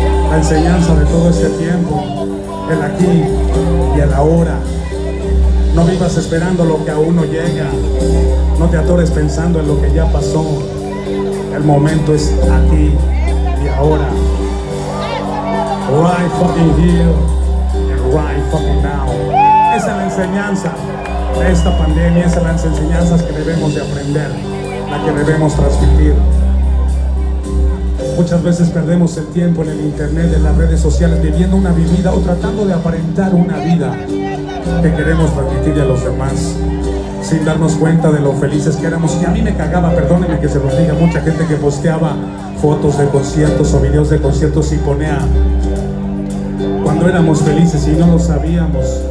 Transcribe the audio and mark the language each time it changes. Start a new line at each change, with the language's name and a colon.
Spanish: La enseñanza de todo este tiempo, el aquí y el ahora. No vivas esperando lo que aún no llega. No te atores pensando en lo que ya pasó. El momento es aquí y ahora.
English: Right fucking here and right fucking now.
Spanish: Esa es la enseñanza de esta pandemia. Esa es la enseñanza que debemos de aprender, la que debemos transmitir. Muchas veces perdemos el tiempo en el internet, en las redes sociales, viviendo una vida o tratando de aparentar una vida que queremos transmitirle a los demás, sin darnos cuenta de lo felices que éramos. Y a mí me cagaba, perdónenme que se los diga, mucha gente que posteaba fotos de conciertos o videos de conciertos y ponía cuando éramos felices y no lo sabíamos.